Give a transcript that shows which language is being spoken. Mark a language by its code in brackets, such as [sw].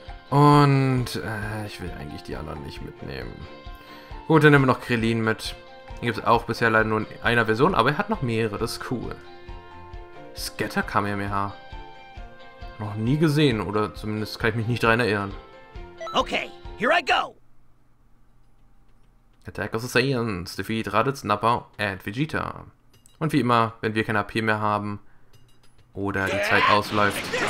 [de] Und ich will eigentlich die anderen nicht mitnehmen. Gut, dann nehmen wir noch Krillin mit. Den gibt es auch bisher leider nur in einer Version, aber er hat noch mehrere, das ist cool. Scatter Kamehameha. Noch nie gesehen, oder zumindest kann ich mich nicht daran erinnern. [en] Okay, here I go! Attack of the Saiyans, defeat Raditz, Nappa and Vegeta. [de] Und wie immer, wenn wir kein AP mehr haben, oder die Zeit ausläuft.